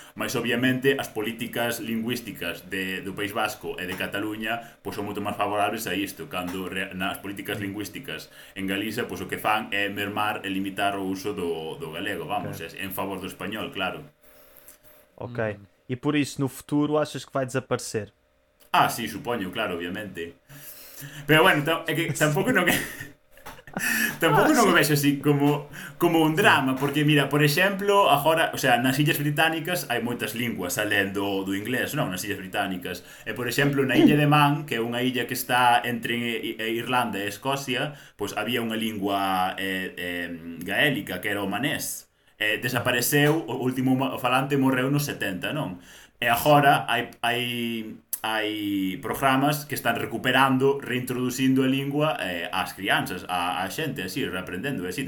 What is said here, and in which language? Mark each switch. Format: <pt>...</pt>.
<gl>Mas obviamente as políticas linguísticas do País Vasco e de Cataluña pois, são muito mais favoráveis a isto, cando nas políticas linguísticas em Galiza pois, o que fan é mermar e limitar o uso do galego, vamos, okay.</gl> <pt>Em favor do espanhol, claro. Ok. E por isso, no futuro, achas que vai desaparecer? Ah, sim, suponho, claro, obviamente. Pero bueno, é que tampouco não...</pt> <gl>Tampouco non o vexo así como, como un drama, porque, mira, por exemplo, agora, o sea, nas Illas Británicas hai moitas linguas além do, do inglés, non? Nas Illas Británicas. E, por exemplo, na Illa de Man, que é unha illa que está entre Irlanda e Escocia, pois había unha lingua gaélica, que era o manés. Desapareceu, o último falante morreu nos 70, non? E agora hai programas que están recuperando, reintroducindo a lingua ás crianzas, á xente, así, reaprendendo, así.</gl>